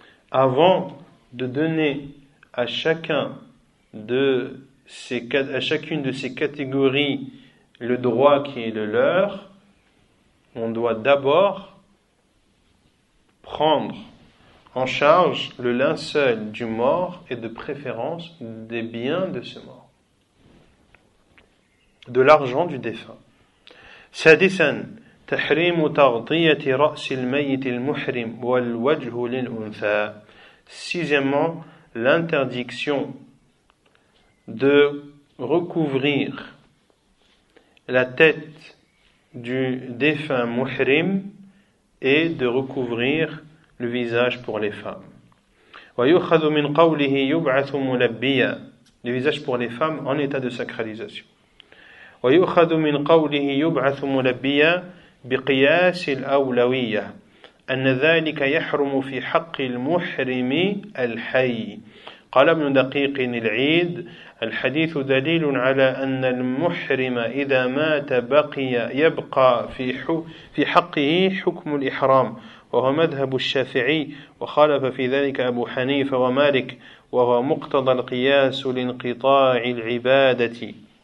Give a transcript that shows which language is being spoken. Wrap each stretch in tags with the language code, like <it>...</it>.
<fr>Avant de donner à chacune de ces catégories le droit qui est le leur, on doit d'abord prendre en charge le linceul du mort et de préférence des biens de ce mort, de l'argent du défunt.</fr> <ar>سادسا تحريم تغطية رأس الميت المحرم والوجه للأنثى.</ar> <fr>Sixièmement, l'interdiction de recouvrir la tête du défunt muhrim et de recouvrir le visage pour les femmes.</fr> <ar>ويؤخذ من قوله يبعث ملبيا.</ar> <fr>Le visage pour les femmes en état de sacralisation.</fr> <ar>ويؤخذ من قوله يبعث ملبيا بقياس الأولوية أن ذلك يحرم في حق المحرم الحي. قال ابن دقيق العيد الحديث دليل على أن المحرم إذا مات بقي يبقى في حقه حكم الإحرام وهو مذهب الشافعي وخالف في ذلك أبو حنيفة ومالك وهو مقتضى القياس لانقطاع العبادة.</ar>